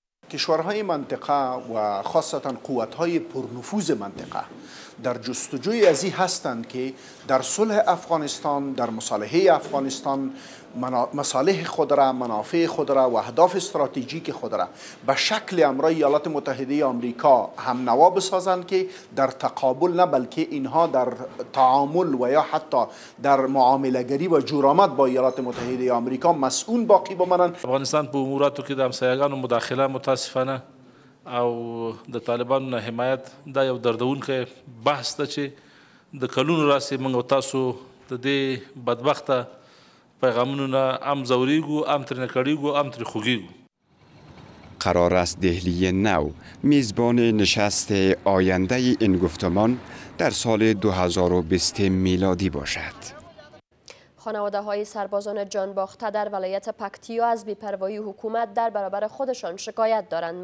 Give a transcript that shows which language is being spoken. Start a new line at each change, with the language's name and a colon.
Persian: کشورهای منطقه و خاصتا قوت های پرنفوذ منطقه در جستجوی از این هستند که در صلح افغانستان، در مصالحه افغانستان، مصالح خود را، منافع خود را و اهداف استراتژیک خود را به شکل امرای ایالات متحده آمریکا هم نوا بسازند که در تقابل نه بلکه اینها در تعامل و یا حتی در معامله گری و جورآمد با ایالات متحده آمریکا مسئول باقی بمانند. افغانستان به امورات که در همسایگان مداخله متاسفانه
Pashto: او د طالبان نه حمایت دا یو دردونکې بحث ده چې د کلونو راسې موږ او تاسو د دې بدبخته پیغامونو نه هم ځورېږو، هم ترېنه کړېږو، هم ترې خوږېږو.
Persian: قرار است دهلی نو میزبان نشست آینده این گفتمان در سال 2020 میلادی باشد. خانواده های سربازان جان باخته در ولایت پکتیا از بی‌پروایی حکومت در برابر خودشان شکایت دارند.